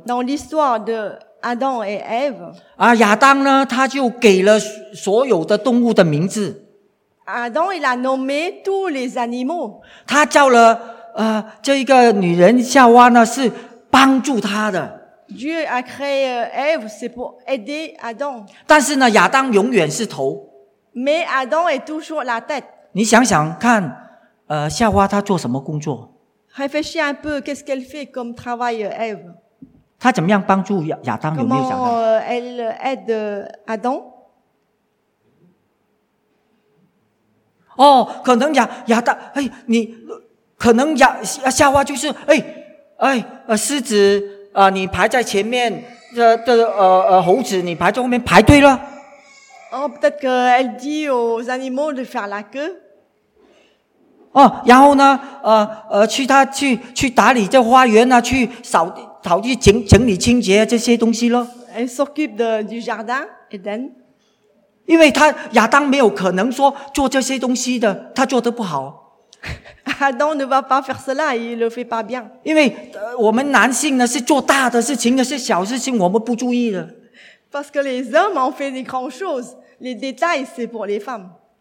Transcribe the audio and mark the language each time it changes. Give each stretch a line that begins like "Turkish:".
French: ，dans l'histoire de Adam et Eve.
Chinese: 啊，亚当呢，他就给了所有的动物的名字。
French: Adam il a nommé tous les animaux.
Chinese: 他叫了这一个女人夏娃呢，是帮助他的。
French: Dieu a créé Eve c'est pour aider Adam.
Chinese: 但是呢，亚当永远是头。
French: Mais Adam est toujours la tête.
Chinese: 你想想看，夏娃她做什么工作
French: ？Réfléchis un peu qu'est-ce qu'elle fait comme travail Eve.
Chinese: 他怎么样帮助亚当？有没有想到
French: ？Elle aide Adam。
Chinese: 哦，可能亚当，哎，你可能夏娃就是，狮子你排在前面，猴子你排在后面排队了。
French: Oh, peut-être qu'elle dit aux animaux de faire la queue。
Chinese: 哦，然后呢，去打理这花园啊，去扫地。草地整理清洁这些东西咯。
French: Elle s'occupe du jardin, Eden.
Chinese: 因为他亚当没有可能说做这些东西的，他做得不好。
French: Adam ne va pas faire cela, il le fait pas bien.
Chinese: 因为我们男性呢是做大的事情，有些小事情我们不注意的。
French: Parce que les hommes ont fait des grandes choses, les détails c'est pour les femmes.